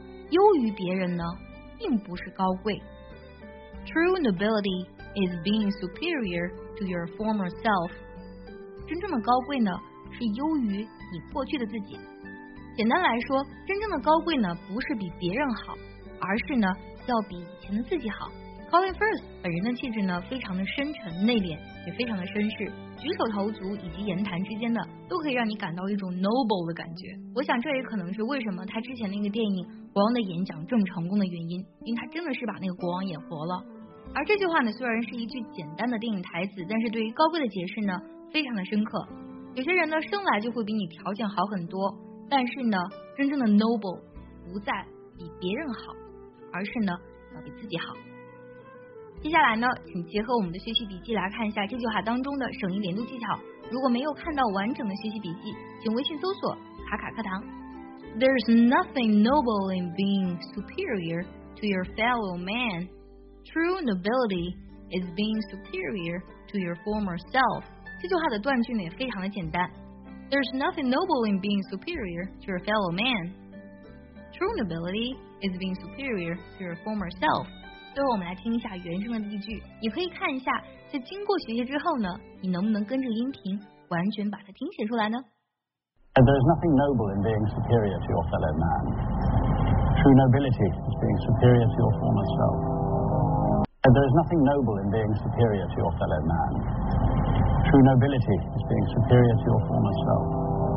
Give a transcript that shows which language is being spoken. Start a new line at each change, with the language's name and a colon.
Chinese: 优于别人呢，并不是高贵。
English: True nobility is being superior to your former self.
Chinese: 真正的高贵呢，是优于你过去的自己。简单来说，真正的高贵呢，不是比别人好，而是呢，要比以前的自己好。 Colin Firth 本人的气质呢，非常的深沉内敛，也非常的绅士，举手投足以及言谈之间呢，都可以让你感到一种 noble 的感觉。我想这也可能是为什么他之前那个电影《国王的演讲》这么成功的原因，因为他真的是把那个国王演活了。而这句话呢，虽然是一句简单的电影台词，但是对于高贵的解释呢，非常的深刻。有些人呢，生来就会比你条件好很多，但是呢，真正的 noble 不在比别人好，而是呢，要比自己好。接下来呢，请结合我们的学习笔记来看一下这句话当中的省音连读技巧。如果没有看到完整的学习笔记，请微信搜索卡卡课堂。
English: There's nothing noble in being superior to your fellow man. True nobility is being superior to your former self.
Chinese: 这句话的断句呢也非常的简单。
English: There's nothing noble in being superior to your fellow man. True nobility is being superior to your former self.
Chinese: 最后我们来听一下原声的例句，你可以看一下在经过学习之后呢，你能不能跟着音频完全把它听写出来呢？
English: And there's nothing noble in being superior to your fellow man. True nobility is being superior to your former self. And there's nothing noble in being superior to your fellow man. True nobility is being superior to your former self.